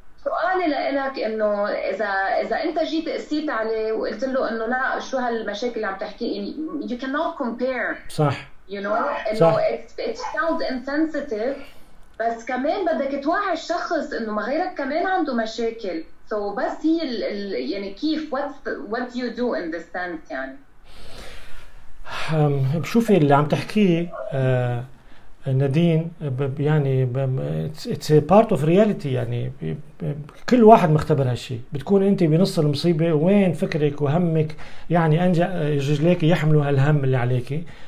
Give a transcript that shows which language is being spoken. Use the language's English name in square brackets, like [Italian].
[Arabic] سؤالي لإلك إنه إذا أنت جيت قسيت عليه وقلت له إنه لا شو هالمشاكل اللي عم تحكي، [English] you cannot compare. [Arabic] صح. [English] You know [Arabic] إنه [English] it sounds insensitive، [Arabic] بس كمان بدك توعي الشخص إنه ما غيرك كمان عنده مشاكل. [English] So [Arabic] بس هي ال يعني كيف [English] what you do in this sense [Arabic] يعني. بشوفي اللي عم تحكيه نادين يعني [English] it's a part of reality، [Arabic] يعني كل واحد مختبر هالشي. بتكون انت بنص المصيبة، وين فكرك وهمك يعني انجا رجليك يحملوا هالهم اللي عليك،